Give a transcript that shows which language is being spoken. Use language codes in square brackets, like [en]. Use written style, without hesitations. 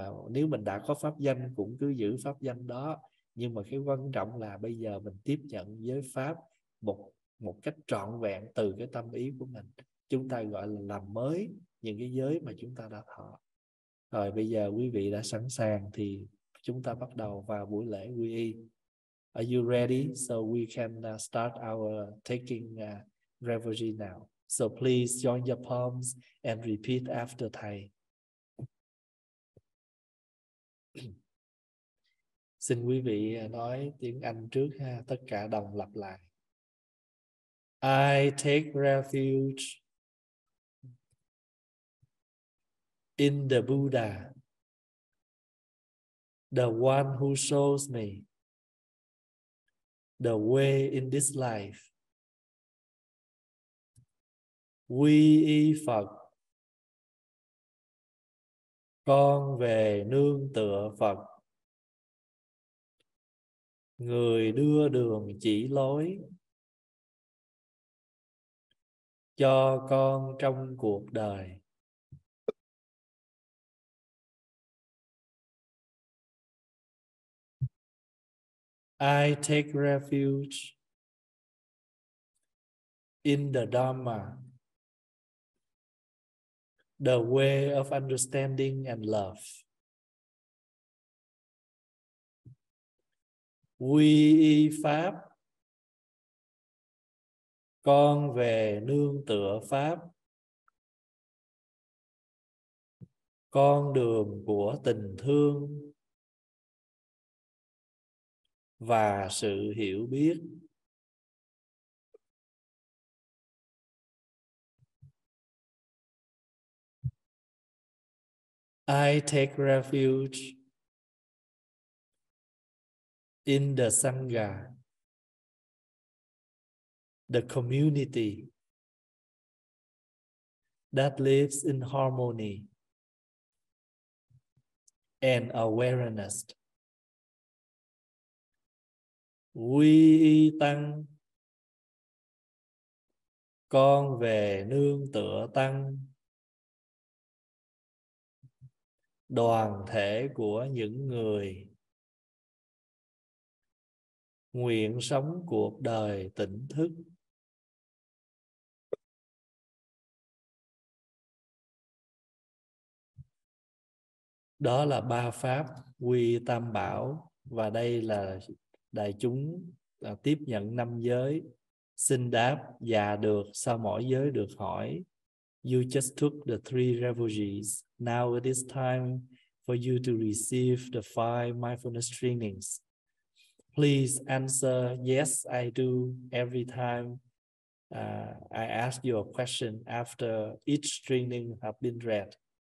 [vi] Nếu mình đã có pháp danh cũng cứ giữ pháp danh đó, nhưng mà cái quan trọng là bây giờ mình tiếp nhận giới pháp một một cách trọn vẹn từ cái tâm ý của mình. Chúng ta gọi là làm mới những cái giới mà chúng ta đã thọ. Rồi bây giờ quý vị đã sẵn sàng thì chúng ta bắt đầu vào buổi lễ quy y. [en] Are you ready so we can start our taking reverie now? So please join your palms and repeat after Thầy. [vi] Xin quý vị nói tiếng Anh trước ha, tất cả đồng lặp lại. [en] I take refuge in the Buddha, the one who shows me the way in this life. [vi] Quy y Phật, con về nương tựa Phật, người đưa đường chỉ lối cho con trong cuộc đời. [en] I take refuge in the Dharma, the way of understanding and love. [vi] Quy y Pháp, con về nương tựa Pháp, con đường của tình thương và sự hiểu biết. [en] I take refuge in the Sangha, the community that lives in harmony and awareness. [vi] Quy y Tăng, con về nương tựa Tăng, đoàn thể của những người nguyện sống cuộc đời tỉnh thức. Đó là ba pháp quy tam bảo, và đây là đại chúng tiếp nhận năm giới. Xin đáp dạ được, sau mỗi giới được hỏi. [en] You just took the three refuges. Now it is time for you to receive the five mindfulness trainings. Please answer yes, I do every time I ask you a question after each training have been read.